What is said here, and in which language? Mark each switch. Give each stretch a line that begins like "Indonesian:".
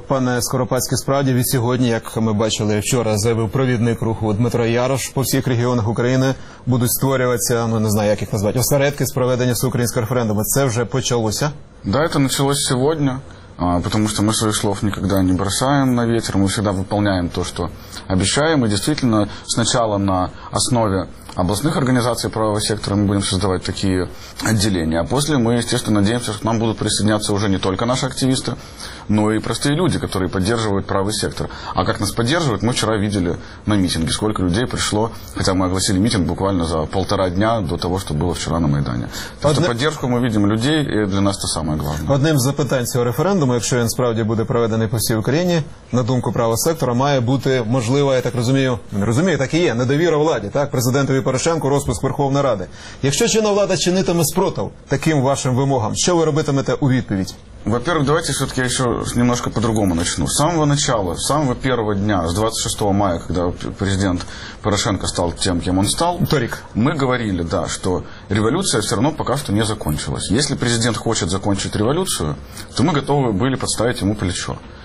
Ukrainian: Пане Скоропадський, справді від сьогодні, як ми бачили вчора, заявив провідник руху Дмитро Ярош, по всіх регіонах України будуть створюватися, ну не знаю, як їх назвати, осередки з проведення всеукраїнського референдуму. Це вже почалося? Так, це почалося сьогодні, тому що ми своїх слов ніколи не бросаємо на вітер, ми завжди виконуємо те, що обіцяємо. І дійсно, спочатку на основі
Russian: областных организаций правого сектора мы будем создавать такие отделения. А после мы, естественно, надеемся, что к нам будут присоединяться уже не только наши активисты, но и простые люди, которые поддерживают правый сектор. А как нас поддерживают, мы вчера видели на митинге, сколько людей пришло, хотя мы огласили митинг буквально за полтора дня до того, что было вчера на Майдане. Так что поддержку мы видим людей, и для нас это самое главное.
Ukrainian: Одним из запитань цього референдуму, якщо він справді буде проведений по всій Україні, на думку правого сектора, має бути можлива, я так розумію, не розумію, так і є, недовіра владі, так, президенту Порошенко, розпуск Верховної Ради. Якщо чинна влада чинитиме спротив таким вашим вимогам, що ви робитимете у відповідь?
Russian: Во-первых, давайте все-таки я еще немножко по-другому начну. С самого начала, с самого первого дня, с 26 мая, когда президент Порошенко стал тем, кем он стал,
Ukrainian: Торик.
Russian: Мы говорили, да, что революция все равно пока что не закончилась. Если президент хочет закончить революцию, то мы готовы были подставить ему плечо.